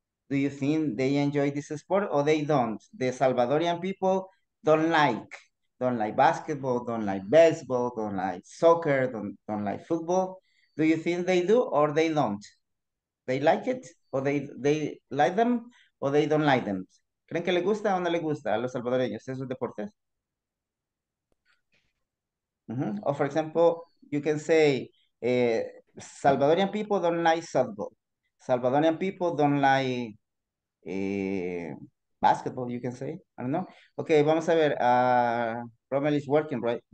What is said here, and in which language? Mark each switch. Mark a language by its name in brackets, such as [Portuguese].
[English] Do you think they enjoy this sport or they don't? The Salvadorian people don't like basketball, don't like baseball, don't like soccer, don't like football. Do you think they do or they don't? They like it or they like them or they don't like them? [Spanish] ¿Creen que le gusta o no le gusta a los salvadoreños esos deportes? Mm-hmm. [English] Or for example, you can say, Salvadorian people don't like softball. Salvadorian people don't like basketball, you can say. I don't know. Okay, [Spanish] vamos a ver. [English] Rommel is working, right?